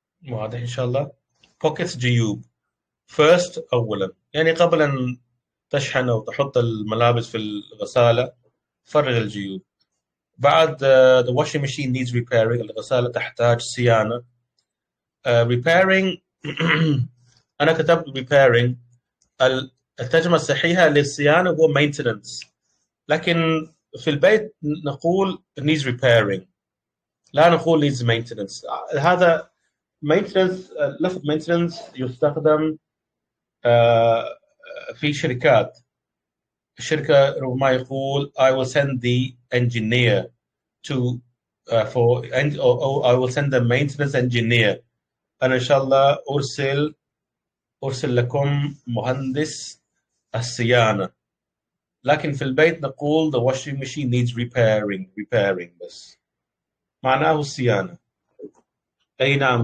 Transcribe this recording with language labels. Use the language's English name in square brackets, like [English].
[Arabic] واضح إن شاء الله pockets جيوب first أولا يعني قبل أن تشحن أو تحط الملابس في الغسالة فرغ الجيوب بعد [English] the washing machine needs repairing [Arabic] الغسالة تحتاج صيانة repairing أنا كتبت repairing الترجمة الصحيحة للصيانة هو maintenance لكن في البيت نقول [English] needs repairing، [Arabic] لا نقول [English] needs maintenance. [Arabic] هذا maintenance، لفظ maintenance يستخدم في شركات. الشركة ربما يقول [English] I will send the engineer to for and or I will send the maintenance engineer. [Arabic] أنا إن شاء الله أرسل لكم مهندس الصيانة. لكن في البيت نقول [English] the washing machine needs repairing. [Arabic] Repairing بس معناه الصيانة. أي نعم.